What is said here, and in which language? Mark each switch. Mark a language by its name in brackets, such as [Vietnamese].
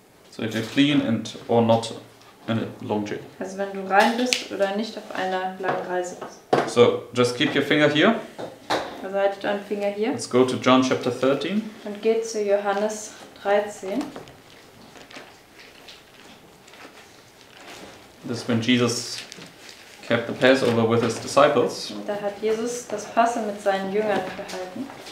[English] So if you're clean and or not in a long journey. [German] Also wenn du rein bist oder nicht auf einer langen Reise bist. [English] So, just keep your finger here. [German] Also halt deinen Finger hier. [English] Let's go to John chapter 13. [German] Und geh zu Johannes 13. [English] This is when Jesus kept the Passover with his disciples. [German] Und da hat Jesus das Passa mit seinen Jüngern gehalten.